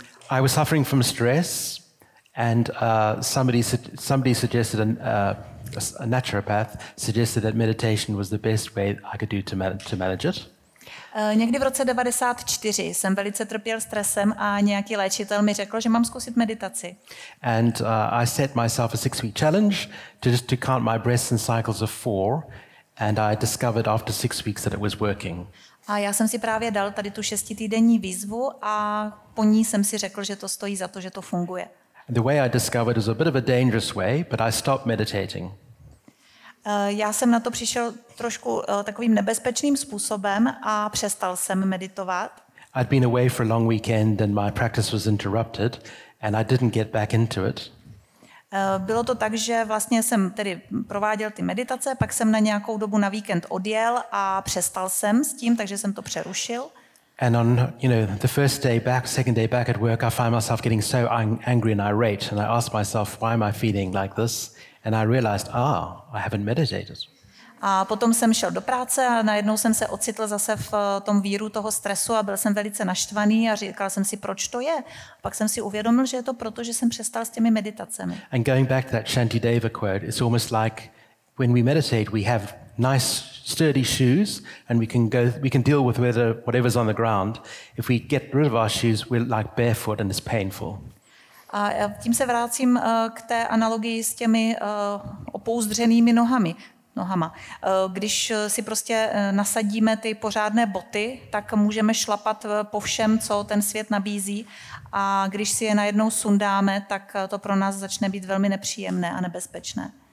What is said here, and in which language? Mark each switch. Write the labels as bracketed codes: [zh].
[en] I was suffering from stress and somebody suggested a naturopath suggested that meditation was the best way I could do to manage it. [cs] Někdy v roce 94 jsem velice trpěl stresem a nějaký léčitel mi řekl, že mám zkusit meditaci. [en] And I set myself a 6 week challenge to just to count my breaths in cycles of 4 and I discovered after 6 weeks that it was working. [cs] A já jsem si právě dal tady tu 6týdenní výzvu a po ní jsem si řekl, že to stojí za to, že to funguje. [en] The way I discovered is a bit of a dangerous way, but I stopped meditating. [cs] Já jsem na to přišel trošku takovým nebezpečným způsobem a přestal jsem meditovat. [en] I'd been away for a long weekend and my practice was interrupted and I didn't get back into it. [cs] Bylo to tak, že vlastně jsem tedy prováděl ty meditace, pak jsem na nějakou dobu na víkend odjel a přestal jsem s tím, takže jsem to přerušil. [en] And on, you know, the first day back, second day back at work, I find myself getting so angry and irate and I ask myself why am I feeling like this? And I realized, I haven't meditated. [cs] A potom jsem šel do práce a najednou jsem se ocitl zase v tom víru toho stresu a byl jsem velice naštvaný a říkal jsem si, proč to je. Pak jsem si uvědomil, že je to proto, že jsem přestal s těmi meditacemi. [en] And going back to that Shantideva quote, it's almost like when we meditate, we have nice sturdy shoes and we can deal with whatever's on the ground. If we get rid of our shoes, we're like barefoot and it's painful. [cs] A tím se vracím k té analogii s těmi opouzdřenými nohami. Nohama. Když si prostě nasadíme ty pořádné boty, tak můžeme šlapat po všem, co ten svět nabízí. A když si je najednou sundáme, tak to pro nás začne být velmi nepříjemné a nebezpečné.